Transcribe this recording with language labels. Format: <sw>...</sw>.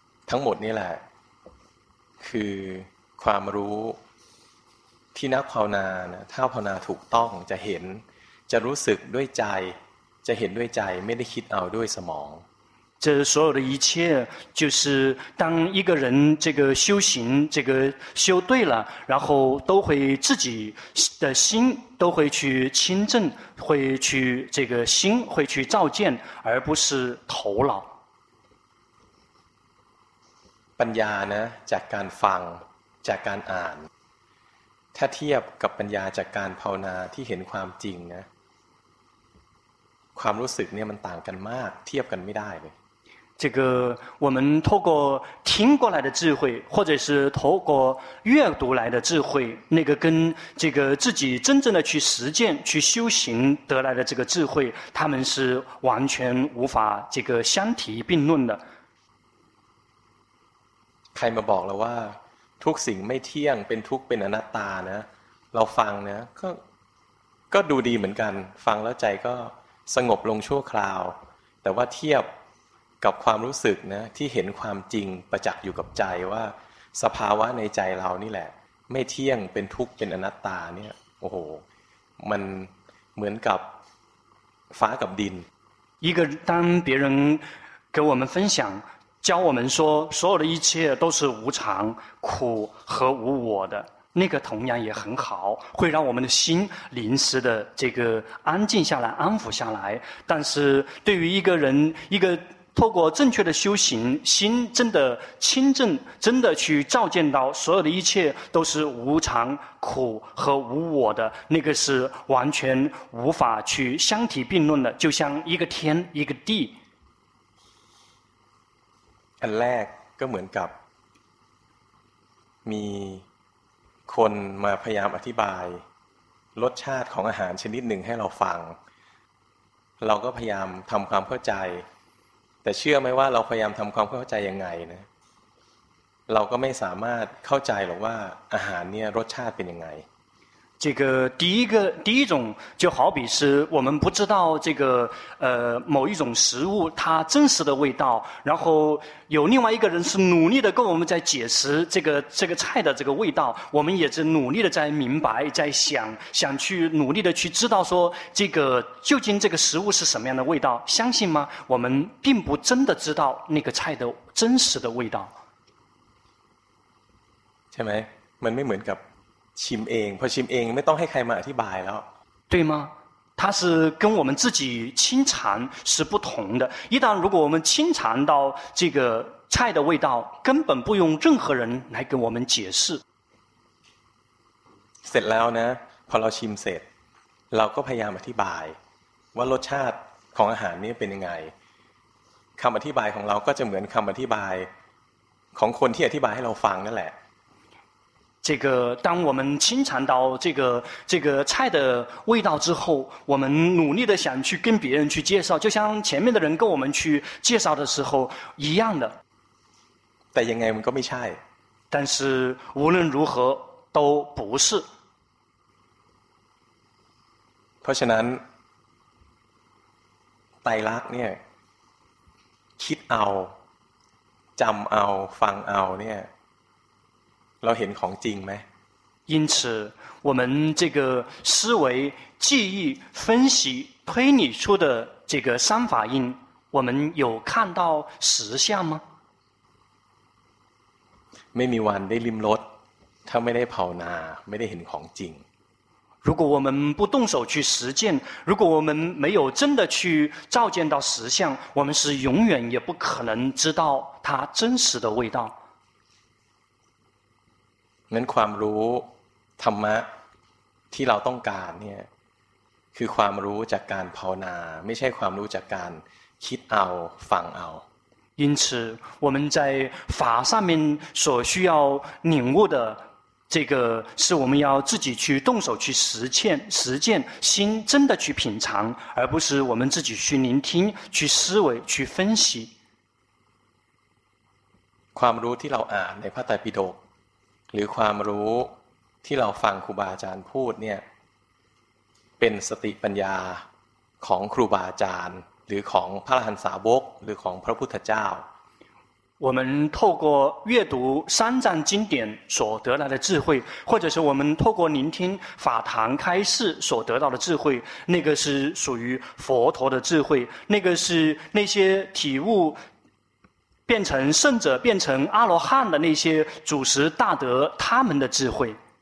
<th>ทั้งหมดนี่แหละคือความรู้ที่นักภาวนาถ้าภาวนาถูกต้องจะเห็นจะรู้สึกด้วยใจจะเห็นด้วยใจไม่ได้คิดเอาด้วยสมอง</th> <zh>这所有的一切就是当一个人这个修行这个修对了然后都会自己的心都会去亲证会去这个心会去照见而不是头脑</zh> <th>ปัญญาเนี่ยจากการฟังจากการอ่านถ้าเทียบกับปัญญาจากการภาวนาที่เห็นความจริงนะความรู้สึกเนี่ยมันต่างกันมากเทียบกันไม่ได้เลย</th> <zh>这个我们透过听过来的智慧或者是透过阅读来的智慧那个跟这个自己真正的去实践去修行得来的这个智慧他们是完全无法这个相提并论的</zh> <th>ใครมาบอกแล้วว่าทุกสิ่งไม่เที่ยงเป็นทุกข์เป็นอนัตตานะเราฟังนะก็ดูดีเหมือนกันฟังแล้วใจก็สงบลงชั่วคราวแต่ว่าเทียบกับความรู้สึกนะที่เห็นความจริงประจักษ์อยู่กับใจว่าสภาวะในใจเรานี่แหละไม่เที่ยงเป็นทุกข์เป็นอนัตตาเนี่ยโอ้โหมันเหมือนกับฟ้ากับดิน</th> <zh>一个当别人给我们分享教我们说所有的一切都是无常苦和无我的那个同样也很好会让我们的心临时的这个安静下来安抚下来但是对于一个人一个透过正确的修行心真的亲证真的去照见到所有的一切都是无常苦和无我的那个是完全无法去相提并论的就像一个天一个地</zh> <th>อันแรกก็เหมือนกับมีคนมาพยายามอธิบายโล รสชาติของอาหารชนิดหนึ่งให้เราฟังเราก็พยายามทำความเข้าใจแต่เชื่อไหมว่าเราพยายามทำความเข้าใจยังไงนะเราก็ไม่สามารถเข้าใจหรอกว่าอาหารเนี่ยรสชาติเป็นยังไง</th> <zh>这个第一个第一种就好比是我们不知道这个某一种食物它真实的味道，然后有另外一个人是努力的跟我们在解释这个菜的这个味道，我们也是努力的在明白，在想去努力的去知道说这个究竟这个食物是什么样的味道，相信吗？我们并不真的知道那个菜的真实的味道。</zh> <th>ใช่ไหม？ มันไม่เหมือนกับชิมเองพอชิมเองไม่ต้องให้ใครมาอธิบายแล้ว</th> <zh>对吗它是跟我们自己亲尝是不同的一旦如果我们亲尝到这个菜的味道根本不用任何人来跟我们解释</zh> <th>เสร็จแล้วนะพอเราชิมเสร็จเราก็พยายามอธิบายว่ารสชาติของอาหารนี้เป็นยังไงคำอธิบายของเราก็จะเหมือนคำอธิบายของคนที่อธิบายให้เราฟังนั่นแหละ</th> <zh>这个当我们亲尝到这个菜的味道之后我们努力的想去跟别人去介绍就像前面的人跟我们去介绍的时候一样的</zh> <th>แต่ยังไงมันก็ไม่ใช่</th> <zh>但是无论如何都不是</zh> <th>เพราะฉะนั้นไตรลักษณ์เนี่ยคิดเอาจำเอาฟังเอาเนี่ยเราเห็นของจริงไหม</th> <zh>因此我们这个思维记忆分析推理出的这个三法印我们有看到实相吗</zh> <th>ไม่มีวันได้ลิ้มรสถ้าไม่ได้ภาวนาไม่ได้เห็นของจริง</th> <zh>如果我们不动手去实践如果我们没有真的去照见到实相我们是永远也不可能知道它真实的味道</zh> <th>นั้นความรู้ธรรมะที่เราต้องการเนี่ยคือความรู้จากการภาวนาไม่ใช่ความรู้จากการคิดเอาฟังเอา</th> <zh>因此我们在法上面所需要领悟的这个是我们要自己去动手去实践心真的去品尝而不是我们自己去聆听去思维去分析</zh> <th>ความรู้ที่เราอ่านในพระไตรปิฎกหรือความรู้ที่เราฟังครูบาอาจารย์พูดเนี่ยเป็นสติปัญญาของครูบาอาจารย์หรือของพระอรหันตสาวกหรือของพระพุทธเจ้า</th> <zh>我们透过阅读三藏经典所得来的智慧或者是我们透过聆听法堂开示所得到的智慧那个是属于佛陀的智慧那个是那些体悟变成圣者变成阿罗汉的那些祖师大德他们的智慧</zh>